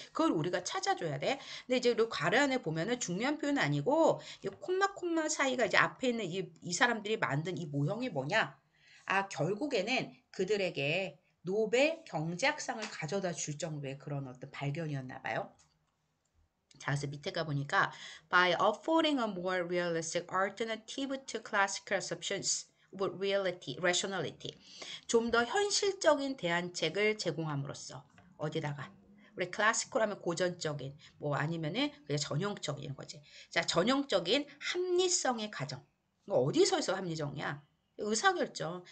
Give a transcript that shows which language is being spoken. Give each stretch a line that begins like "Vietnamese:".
Korean: 그걸 우리가 찾아줘야 돼. 근데 이제 그 괄호 안에 보면은 중요한 표현은 아니고, 이 콤마콤마 사이가 이제 앞에 있는 이 사람들이 만든 이 모형이 뭐냐? 아, 결국에는 그들에게 노벨 경제학상을 가져다 줄 정도의 그런 어떤 발견이었나 봐요. 자, 그래서 밑에 가보니까,
English: By affording a more realistic alternative to classical assumptions. reality, rationality.
Korean: 좀더 현실적인 대안책을 제공함으로써. 어디다가? 우리 클래시컬 하면 고전적인, 뭐 아니면은 그냥 전형적인 거지. 자, 전형적인 합리성의 가정. 어디서에서 합리적이야? 의사결정.